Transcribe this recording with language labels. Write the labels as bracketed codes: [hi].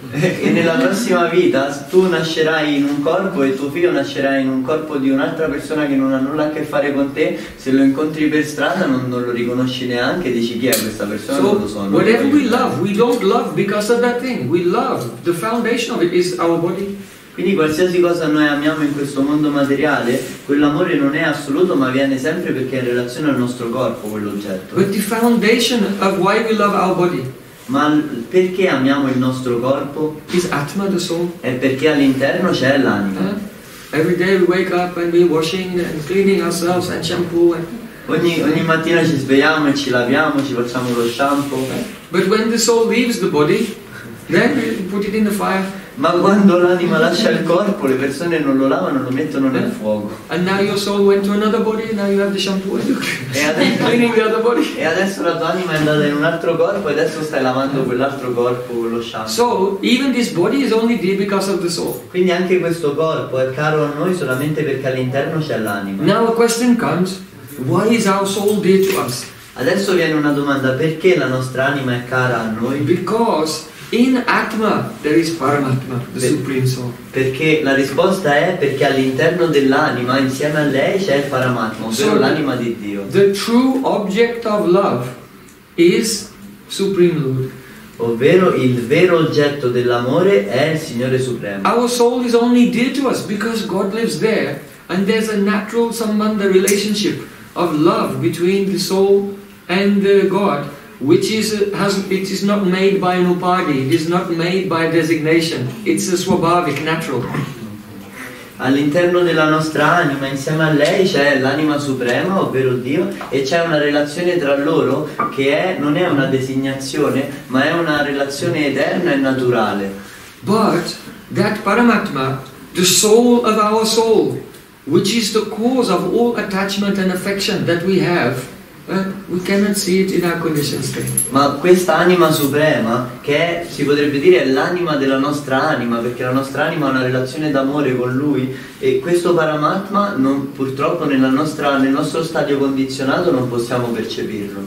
[it] E nella prossima vita tu nascerai in un corpo e tuo figlio nascerà in un corpo di un'altra persona che non ha nulla a che fare con te. Se lo incontri per strada non lo riconosci neanche, dici chi è questa persona, so, non lo so. [en] Whatever we love, we don't love because of that thing. We love, the foundation of it is our body. [it] Quindi qualsiasi cosa noi amiamo in questo mondo materiale, quell'amore non è assoluto ma viene sempre perché è in relazione al nostro corpo, quell'oggetto. [en] But the foundation of why we love our body. [it] Ma perché amiamo il nostro corpo? [en] Is Atma the soul? [it] È perché all'interno c'è l'anima. [en] Every day we wake up and we washing and cleaning ourselves and shampoo. And [it] ogni mattina ci svegliamo e ci laviamo, ci facciamo lo shampoo. [en] But when the soul leaves the body, then we put it in the fire. [it] Ma quando l'anima lascia il corpo, le persone non lo lavano, lo mettono nel fuoco. [en] And now your soul went to another body, and now you have the shampoo and cleaning the other body. [it] E adesso la tua anima è andata in un altro corpo e adesso stai lavando quell'altro corpo, lo shampoo. [en] So even this body is only dear because of the soul. [it] Quindi anche questo corpo è caro a noi solamente perché all'interno c'è l'anima. [en] Now a question comes: why is our soul dear to us? [it] Adesso viene una domanda: perché la nostra anima è cara a noi? [en] Because in Atma there is Paramatma, the Supreme Soul. [it] Perché la risposta è perché all'interno dell'anima, insieme a lei, c'è il Paramatma, ovvero l'anima di Dio. [en] The true object of love is Supreme Lord. [it] Ovvero il vero oggetto dell'amore è il Signore Supremo. [en] Our soul is only dear to us because God lives there and there's a natural sambandha relationship of love between the soul and the God. It is not made by an upadi, it is not made by designation, it's a swabhavik, natural. [it] all'interno della nostra anima, insieme a lei c'è l'anima suprema, ovvero Dio, e c'è una relazione tra loro che è, non è una designazione, ma è una relazione eterna e naturale. [en] But that Paramatma, the soul of our soul, which is the cause of all attachment and affection that we have, we cannot see it in our conditioned state. [it] Ma questa anima suprema, che è, si potrebbe dire è l'anima della nostra anima, perché la nostra anima ha una relazione d'amore con lui, e questo Paramatma, non, purtroppo nella nostra, nel nostro stadio condizionato non possiamo percepirlo.